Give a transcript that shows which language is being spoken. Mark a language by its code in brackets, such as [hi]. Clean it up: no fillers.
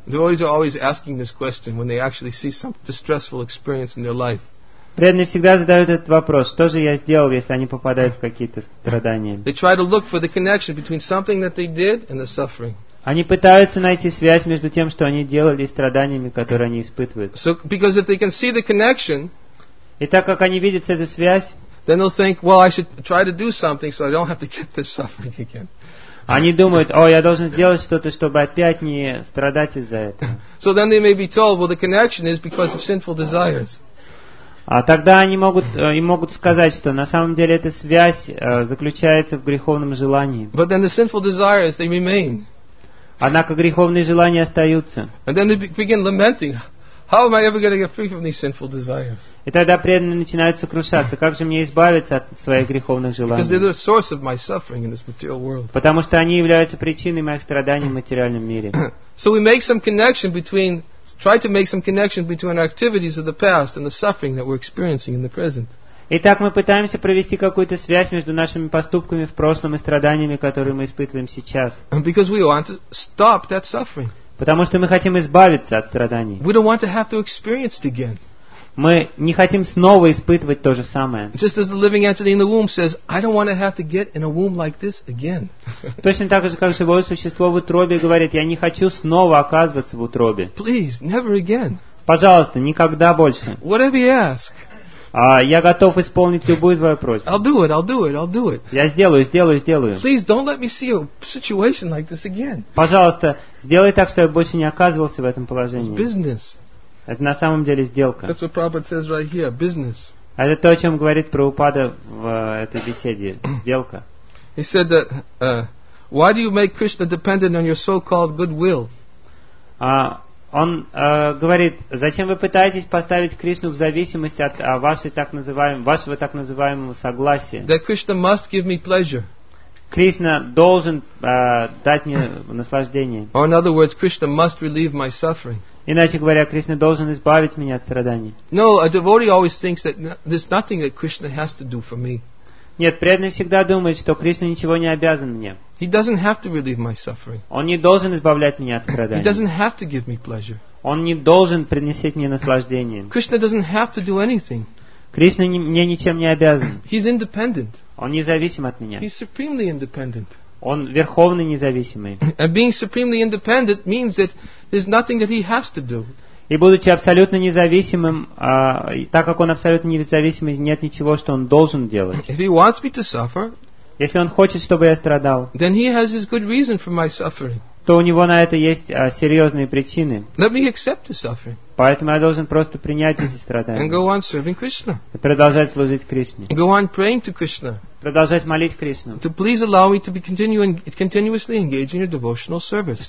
[en] Devotees are always asking this question when they actually see some distressful experience in their life. [ru] Преданные всегда задают этот вопрос: что же я сделал, если они попадают в какие-то страдания? [en] They try to look for the connection between something that they did and the suffering. [ru] Они пытаются найти связь между тем, что они делали, и страданиями, которые они испытывают. [en] So, because if they can see the connection, [ru] и так как они видят эту связь, [en] then they'll think, well, I should try to do something so I don't have to get this suffering again. [ru] Они думают, о, я должен сделать что-то, чтобы опять не страдать из-за этого. [en] So then they may be told, well, the connection is because of sinful desires. [ru] А тогда они могут, им могут сказать, что на самом деле эта связь заключается в греховном желании. [en] But then the sinful desires, they remain. [ru] Однако греховные желания остаются. [en] And then they begin lamenting, How am I ever going to get free from these sinful desires? [ru] И тогда преданные начинают сокрушаться. Как же мне избавиться от своих греховных желаний? [en] Because they're the source of my suffering in this material world. [ru] Потому что они являются причиной моих страданий в материальном мире. [en] So we make some connection between. Try to make some connection between our activities of the past and the suffering that we're experiencing in the present. [ru] Итак, мы пытаемся провести какую-то связь между нашими поступками в прошлом и страданиями, которые мы испытываем сейчас. [en] Because we want to stop that suffering. [ru] Потому что мы хотим избавиться от страданий. [en] We don't want to have to experience it again. [ru] Мы не хотим снова испытывать то же самое. [en] Just as the living entity in the womb says, I don't want to have to get in a womb like this again. [ru] Точно так же, как живое существо в утробе говорит, я не хочу снова оказываться в утробе. [en] Please, never again. [ru] Пожалуйста, никогда больше. [en] Whatever you ask. [ru] Я готов исполнить любую твою просьбу. [en] I'll do it. [ru] Я сделаю. [en] Please don't let me see a situation like this again. [ru] Пожалуйста, сделай так, чтобы я больше не оказывался в этом положении. [en] It's business. [ru] Это на самом деле сделка. [en] That's what Prabhupada says right here, business. [ru] Это то, о чем говорит Прабхупада в этой беседе. Сделка. [en] He said that, why do you make Krishna dependent on your so-called goodwill? [ru] Он говорит, зачем вы пытаетесь поставить Кришну в зависимости от вашего так называемого согласия? [en] That Krishna must give me pleasure. [ru] Кришна должен дать мне наслаждение. [en] Or in other words, Krishna must relieve my suffering. [ru] Иначе говоря, Кришна должен избавить меня от страданий. [en] No, a devotee always thinks that there's nothing that Krishna has to do for me. [ru] Нет, преданный всегда думает, что Кришна ничего не обязан мне. [en] He doesn't have to relieve my suffering. [ru] Он не должен избавлять меня от страданий. [en] He doesn't have to give me pleasure. [ru] Он не должен приносить мне наслаждение. [en] Krishna doesn't have to do anything. [ru] Кришна мне ничем не обязан. [en] He's independent. [ru] Он независим от меня. [en] He's supremely independent. [ru] Он верховно независимый. [en] And being supremely independent means that there's nothing that he has to do. [ru] И будучи абсолютно независимым, так как он абсолютно независимый, нет ничего, что он должен делать. [en] If he wants me to suffer, [ru] если он хочет, чтобы я страдал, [en] then he has his good reason for my suffering. [ru] То у него на это есть серьезные причины. [en] Let me accept the suffering. [ru] Поэтому я должен просто принять эти страдания. [en] And go on serving Krishna. [ru] И продолжать служить Кришне. [en] Go on praying to Krishna. [ru] Продолжать молить Кришну. [en] To please allow me to be continuously engaged in your devotional service.